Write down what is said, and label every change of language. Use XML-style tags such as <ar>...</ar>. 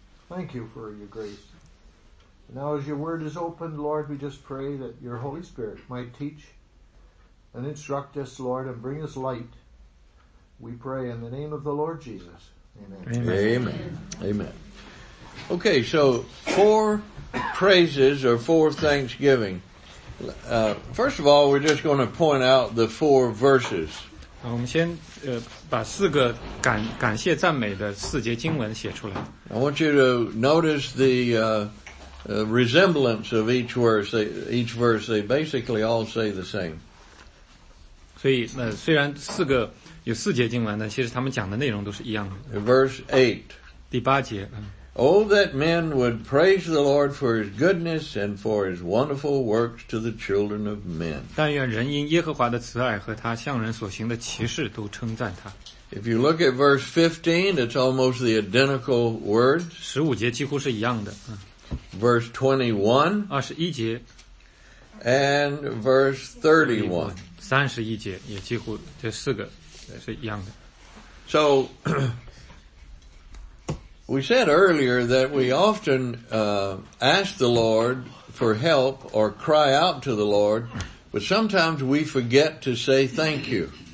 <en>Thank you for your grace. Now as your word is opened, Lord, we just pray that your Holy Spirit might teach and instruct us, Lord, and bring us light. We pray in the name of the Lord Jesus. Amen. Amen. Amen. Okay, so four praises or four thanksgiving. First of all, we're just going to point out the four verses.</en> <zh>我们先把四个感谢赞美的四节经文写出来。</zh> <en>I want you to notice the resemblance of each verse. They basically all say the same.</en> <zh>所以那虽然四个有四节经文呢，其实他们讲的内容都是一样的。</zh> <en>Verse 8.</en> <zh>第八节。</zh> <en>Oh, that men would praise the Lord for his goodness and for his wonderful works to the children of men.</en> <zh>但愿人因耶和华的慈爱和他向人所行的奇事都称赞他。</zh> <en>If you look at verse 15, it's almost the identical words.</en> <zh>十五节几乎是一样的。</zh> <en>Verse 21.</en> <zh>二十一节。</zh> <en>And verse 31.</en> <zh>三十一节也几乎这四个是一样的。</zh> <en>So, we said earlier that we often, ask the Lord for help or cry out to the Lord, but sometimes we forget to say thank you.</en>